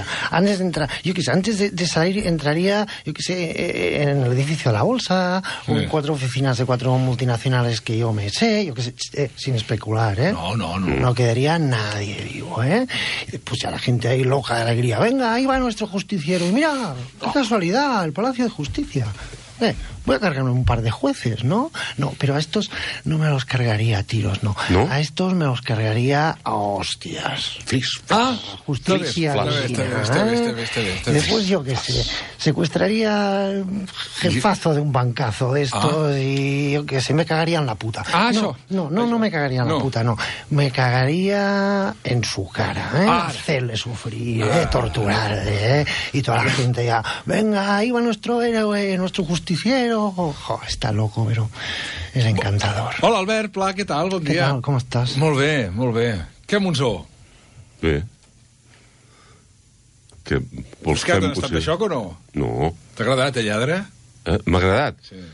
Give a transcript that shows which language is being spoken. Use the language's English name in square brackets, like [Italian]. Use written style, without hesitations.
[Spanish] Antes [Catalan] d'entrar, jo què sé, [Spanish] antes de salir, [Catalan] entraria, jo què sé, en l'edifici de la Bolsa, sí. En quatre oficines de quatre multinacionals que jo me sé, jo què sé, [Spanish] sin especular, [Catalan] ¿eh? No. [Spanish] No quedaria nadie vivo, ¿eh? Y pues ya la gente ahí loca de alegría. Venga, ahí va nuestro justiciero. Y mira, qué casualidad, el Palacio de Justicia. Voy a cargarme un par de jueces, ¿no? No, pero a estos no me los cargaría a tiros, no. ¿No? A estos me los cargaría a hostias. Justicia. Después, yo qué sé, secuestraría al jefazo de un bancazo de estos y yo qué sé, me cagaría en la puta. No me cagaría en la puta, no. Me cagaría en su cara, ¿eh? Hacerle sufrir, torturarle, ¿eh? Y toda la gente ya: venga, ahí va nuestro héroe, nuestro justiciero. [Catalan] Ojo, està loco, però és encantador. Hola, Albert, Pla, què tal? Bon dia. Què tal? Com estàs? Molt bé, molt bé. Què, Monzó? Bé. Què vols que em potser... xoc o no? No. T'ha agradat, lladre? M'ha agradat? Sí.